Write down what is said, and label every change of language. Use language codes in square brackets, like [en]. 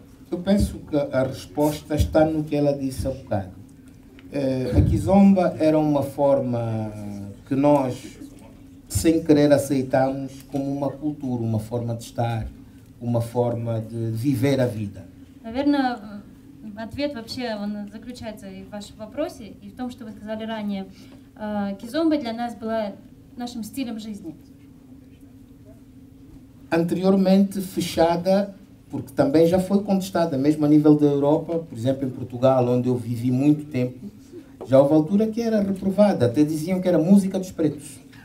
[pt] Eu penso que a resposta está no que ela disse há bocado. A kizomba era uma forma que nós, sem querer, aceitámos como uma cultura, uma forma de estar, uma forma de viver a vida. [ru] Наверное, ответ вообще он заключается и в вашем вопросе, и в том, что вы сказали ранее. Кизомба для нас была нашим стилем жизни. [pt] Anteriormente fechada, porque também já foi contestada, mesmo a nível da Europa, por exemplo, em Portugal, onde eu vivi muito tempo, já houve altura que era reprovada, até diziam que era música dos pretos.